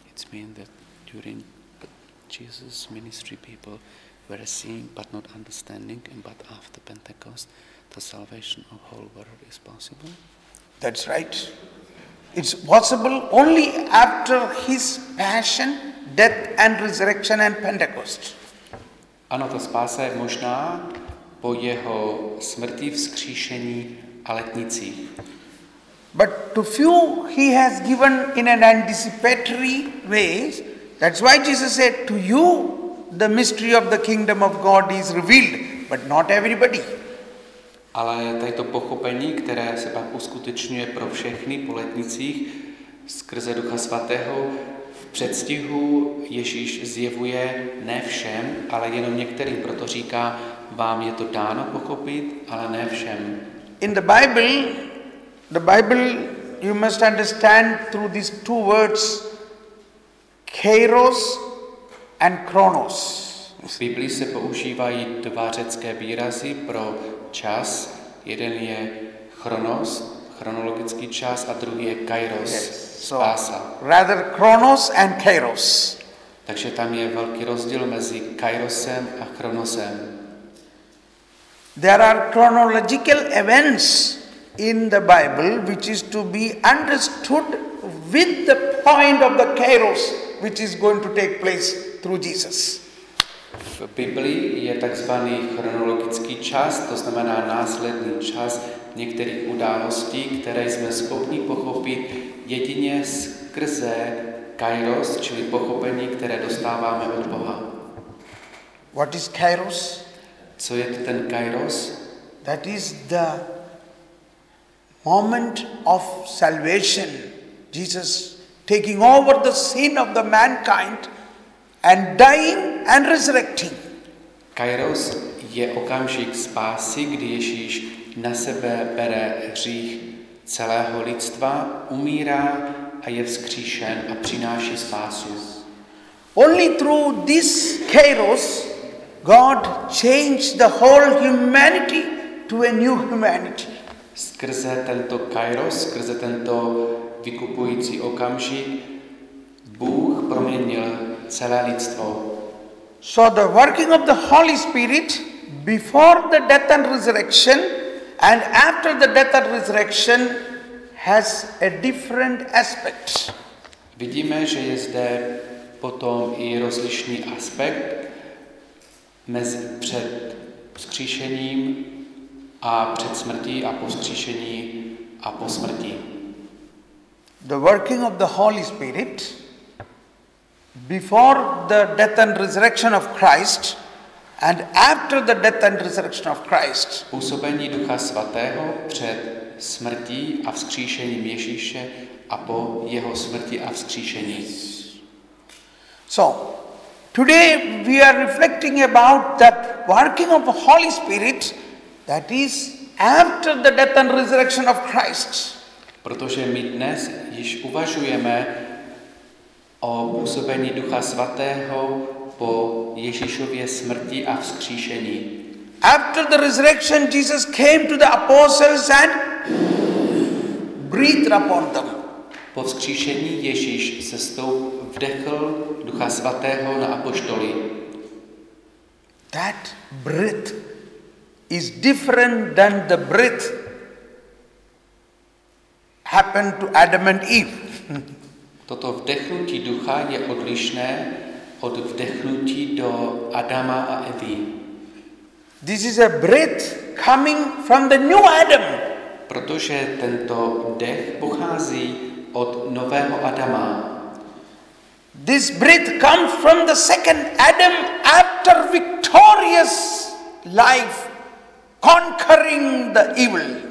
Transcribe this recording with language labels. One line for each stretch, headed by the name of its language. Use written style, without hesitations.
English: Mean that during Jesus' ministry, people were seeing but not understanding, and but after Pentecost, the salvation of whole world is possible. That's right. It's possible only after His passion, death, and resurrection, and Pentecost.
Czech: Ano, ta spása je možná po jeho smrti, vzkříšení a letnicích.
English: But to few he has given in an anticipatory way. That's why Jesus said, to you the mystery of the kingdom of God is revealed, but not everybody.
Czech: Ale tady to pochopení, které se pak uskutečňuje pro všechny po letnicích skrze Ducha Svatého, v předstihu Ježíš zjevuje ne všem, ale jenom některým, proto říká, vám je to dáno pochopit, ale ne všem.
English: In the Bible, you must understand through these two words, kairos and chronos.
Czech: V Biblii se používají dva řecké výrazy pro čas. Jeden je chronos, chronologický čas, a druhý je kairos, spása.
English: Rather chronos and kairos.
Czech: Takže tam je velký rozdíl mezi kairosem a chronosem.
English: There are chronological events in the Bible which is to be understood with the point of the kairos which is going to take place through Jesus.
Czech: V Biblii je takzvaný chronologický čas, to znamená následný čas některých událostí, které jsme schopni pochopit jedině skrze kairos, čili pochopení, které dostáváme od Boha.
English: What is kairos?
Czech: Co je to ten kairos?
English: That is the moment of salvation. Jesus taking over the sin of the mankind and dying and resurrecting.
Czech: Kairos je okamžik spásy, kdy Ježíš na sebe bere hřích celého lidstva, umírá a je vzkříšen a přináší spásu.
English: Only through this kairos God changed the whole humanity to a new humanity.
Czech: Skrze tento kairos, skrze tento vykupující okamžik, Bůh proměnil celé lidstvo.
English: So the working of the Holy Spirit before the death and resurrection and after the death and resurrection has a different aspect.
Czech: Vidíme, že je zde potom i rozlišný aspekt mezi před vzkříšením a před smrtí a po vzkříšení a po smrti.
English: The working of the Holy Spirit before the death and resurrection of Christ and after the death and resurrection of Christ.
Czech: Působení Ducha Svatého před smrtí a vzkříšením Ježíše a po jeho smrti a vzkříšení.
English: So, today we are reflecting about that working of the Holy Spirit that is after the death and resurrection of Christ.
Czech: Protože my dnes již uvažujeme o působení Ducha Svatého po Ježíšově smrti a vzkříšení.
English: After the resurrection, Jesus came to the apostles and breathed upon them.
Czech: Po vzkříšení Ježíš se vdechl Ducha Svatého na apoštoly.
English: That breath is different than the breath happened to Adam and Eve.
Czech: Toto vdechnutí ducha je odlišné od vdechnutí do Adama a Evy.
English: This is a breath coming from the new Adam.
Czech: Protože tento dech pochází od nového Adama.
English: This breath comes from the second Adam after victorious life conquering the evil.